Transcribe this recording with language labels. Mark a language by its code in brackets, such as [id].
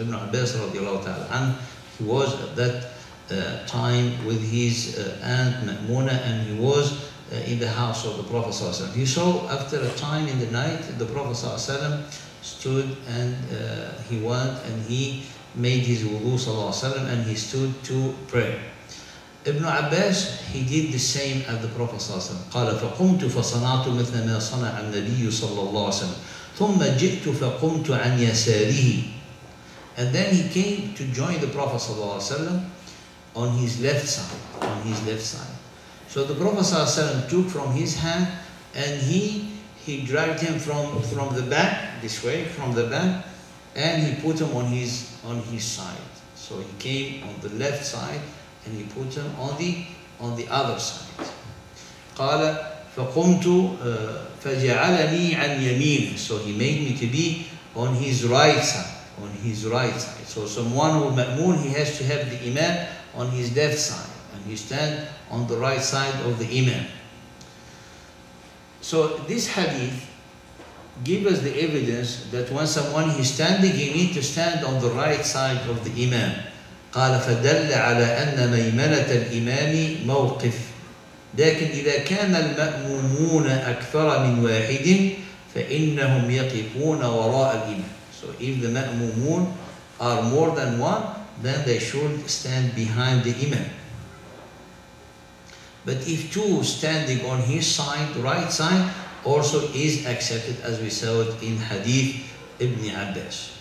[en] Ibn Abbas radiyallahu ta'ala an, he was at that time with his aunt Ma'muna, and he was in the house of the Prophet sallallahu alayhi wasallam. He saw after a time in the night the Prophet sallallahu alayhi wasallam stood, and he went and he made his wudu sallallahu alayhi wa sallam, and he stood to pray. Ibn Abbas, he did the same as the Prophet sallallahu alayhi wa sallam. [ar] قال فقمت فصنعت مثل ما صنع النبي صلى الله عليه وسلم ثم جئت فقمت عن يساره. [en] And then he came to join the Prophet sallallahu alayhi wa sallam on his left side, on his left side. So the Prophet sallallahu alayhi wa sallam took from his hand and he dragged him from the back, this way, from the back, and he put him on his side. So he came on the left side and he put him on the other side. [ar] قال فقمت فجعلني عن يمين. [en] So he made me to be on his right side, on his right side. So someone who ma'mun, he has to have the imam on his left side, and he stand on the right side of the imam. So this hadith gives us the evidence that when someone is standing, he needs to stand on the right side of the imam. [ar] قال فدل على أن ميمنة الإمام موقف. لكن إذا كان المأمومون أكثر من واحد فإنهم يقفون وراء الإمام. [en] So if the مأمومون are more than one, then they should stand behind the imam. But if two standing on his side, right side, also is accepted, as we saw it in Hadith Ibn Abbas.